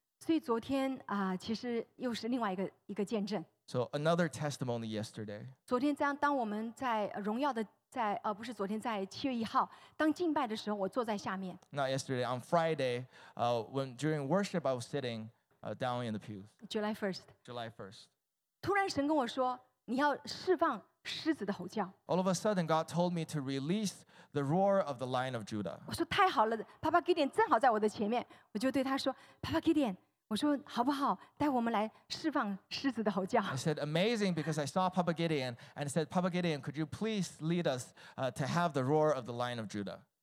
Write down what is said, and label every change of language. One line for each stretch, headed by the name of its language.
Chinese: 所以昨天, 其实又是另外一个见证。
English: So another testimony yesterday.
Chinese: 昨天当我们在荣耀的在, 不是昨天在7月1号, 当敬拜的时候, 我坐在下面。
English: Not yesterday, on Friday, when during worship I was sitting down in the pews. July 1st. July 1st.
Chinese: 突然神跟我说, 你要释放狮子的吼叫。
English: All of a sudden, God told me to release the roar of the Lion of Judah.
Chinese: 我说太好了，Papa Gideon正好在我的前面，我就对他说，Papa Gideon，我说好不好，带我们来释放狮子的吼叫。
English: I said amazing because I saw Papa Gideon and I said, Papa Gideon, could you please lead us to have the roar of the Lion of Judah?